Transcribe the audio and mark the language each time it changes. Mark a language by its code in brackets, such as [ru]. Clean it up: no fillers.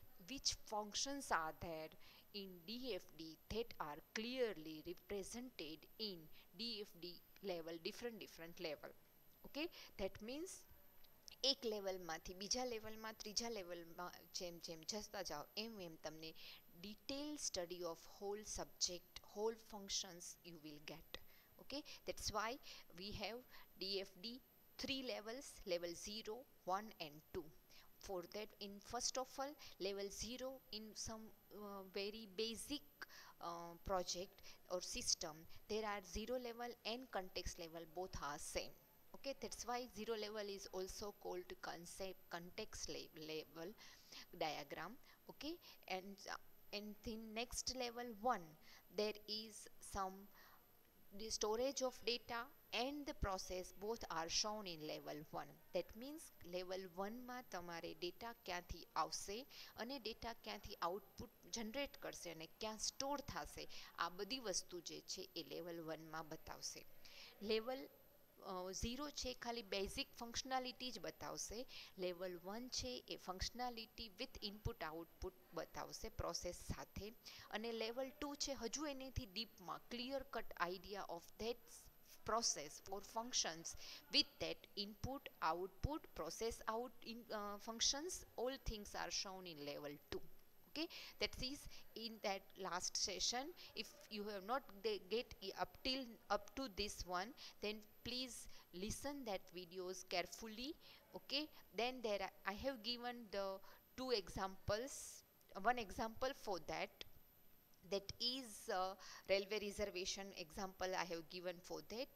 [en] Which functions are there in DFD that are clearly represented in DFD level, different level. Okay, that means [gu] એક લેવલમાંથી બીજા લેવલમાં ત્રીજા લેવલમાં જેમ જેમ જતા જાઓ એમ તમને [en] Detail study of whole subject whole functions you will get. Okay, that's why we have DFD three levels, level 0, 1 and 2. For that, in first of all level 0, in some very basic project or system there are 0 level and context level both are same. Okay, that's why zero level is also called concept context level diagram. Okay, and the next level 1, there is some the storage of data and the process both are shown in level 1. That means [gu] level 1 માં તમારે data ક્યાંથી આવશે અને data ક્યાંથી output generate કરશે અને ક્યાં store થશે, આ બધી વસ્તુ જે છે એ લેવલ 1 માં બતાવશે. લેવલ 0 છે ખાલી બેઝિક ફંક્શનાલિટી જ બતાવશે. લેવલ 1 છે એ ફંક્શનાલિટી વિથ ઇનપુટ આઉટપુટ બતાવશે પ્રોસેસ સાથે. અને લેવલ 2 છે હજુ એનાથી ડીપમાં [en] Clear cut idea of that process for functions with that input output process out in functions all things are shown in level 2. Okay, that is in that last session. If you have not get up to this one, then please listen that videos carefully. Okay, then there I have given the two examples. One example for that is railway reservation example I have given for that.